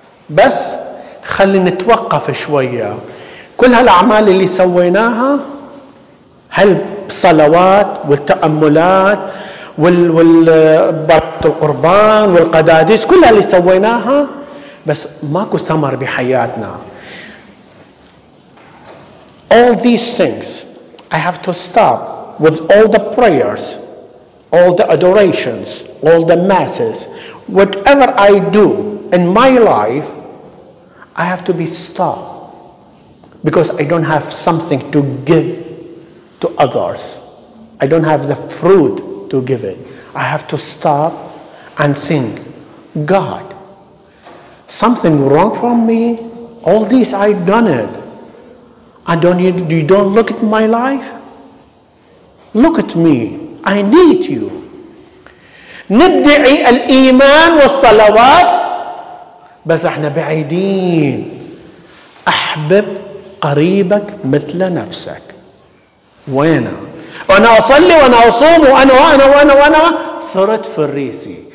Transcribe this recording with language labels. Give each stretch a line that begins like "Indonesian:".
Arabic: بس خلي نتوقف شوية. كل هالاعمال اللي سويناها هالصلوات والتأملات والبركة القربان والقداديس كلها اللي سويناها بس ماكو ثمر بحياتنا.
English: All these things I have to stop with all the prayers, all the adorations, all the masses, whatever I do in my life, I have to be stopped because I don't have something to give to others. I don't have the fruit to give it. I have to stop and think, God, something wrong from me? All this I done it. I don't need, you don't look at my life? Look at me. I need you.
Arabic: ندعي الإيمان والصلوات بس احنا بعيدين. أحبب قريبك مثل نفسك. وين؟ وأنا أصلي وأنا أصوم وأنا وأنا وأنا وأنا صرت فريسي.